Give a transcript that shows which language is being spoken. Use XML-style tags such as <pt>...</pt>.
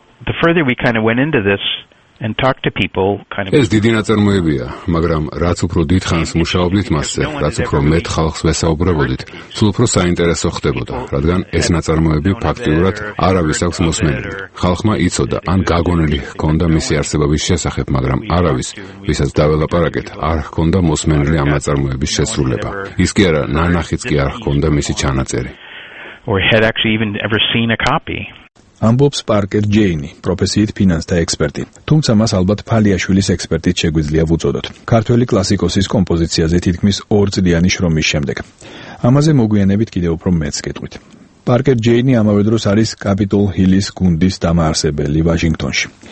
<en>The further we kind of went into this and talk to people kind of</en> <ka>ეს დიდი ნაწარმოებია, მაგრამ რაც უფრო დიდ ხანს მუშაობდით მასზე, რაც უფრო მეტ ხალხს ვესაუბრებოდით, სულ უფრო საინტერესო ხდებოდა, რადგან ეს ნაწარმოები ფაქტიურად არავის აქვს მოსმენილი. ხალხმა იცოდა ან გაგონილი ჰქონდა მისი არსებობის შესახებ, მაგრამ არავის, ვისაც დაველაპარაკეთ, არ ჰქონდა მოსმენილი ამ ნაწარმოების შესრულება. ის კი არა, ნანახიც კი არ ჰქონდა მისი ჩანაწერი.</ka> <en>Or had actually even ever seen a copy.</en> <ka>ამბობს პარკერ ჯეინი, პროფესიით ფინანსთა ექსპერტი. თუმცა მას ალბათ ფალიაშვილის ექსპერტით შეგვიძლია ვუწოდოთ. ქართველი კლასიკოსის კომპოზიციაზე თითქმის ორწლიანი შრომის შემდეგ. ამაზე მოგვიანებით კიდევ უფრო მეტს გეტყვით. პარკერ ჯეინი ამავე დროს არის კაპიტოლ ჰილის გუნდის დამაარსებელი ვაშინგტონში.</ka>